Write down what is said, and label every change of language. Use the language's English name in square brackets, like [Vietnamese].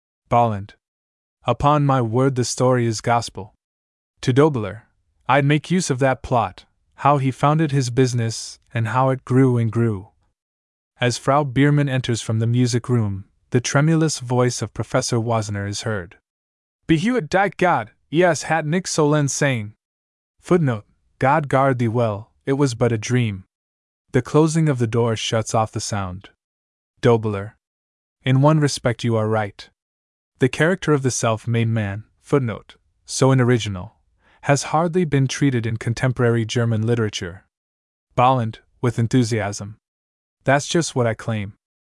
[English] Balland. Upon my word, the story is gospel. To Dobler. I'd make use of that plot. How he founded his business, and how it grew and grew. As Frau Biermann enters from the music room, the tremulous voice of Professor Wasner is heard. [German] Behüet dich God, es hat nicht sollen sein. [English] Footnote, God guard thee well, it was but a dream. The closing of the door shuts off the sound. Dobler. In one respect you are right. The character of the self-made man, footnote, so in original. Has hardly been treated in contemporary German literature. Balland, with enthusiasm. That's just what I claim.